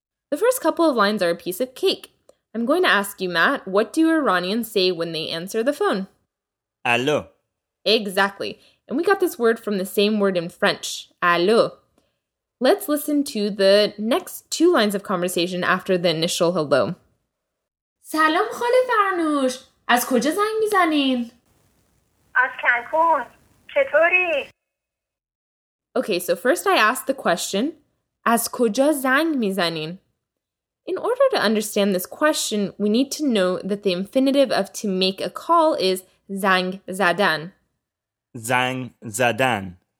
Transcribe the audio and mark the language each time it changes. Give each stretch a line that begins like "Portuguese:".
English: The first couple of lines are a piece of cake. I'm going to ask you, Matt, what do Iranians say when they answer the phone?
Persian: Allô.
English: Exactly. And we got this word from the same word in French, allô. Let's listen to the next two lines of conversation after the initial hello.
Persian: سلام خاله فرنوش، از کجا زنگ میزنین؟ از کنکون، چطوری؟
English: Okay, so first I asked the question,
Persian: از کجا زنگ میزنین؟
English: In order to understand this question, we need to know that the infinitive of to make a call is زنگ زدن.
Persian: زنگ زدن.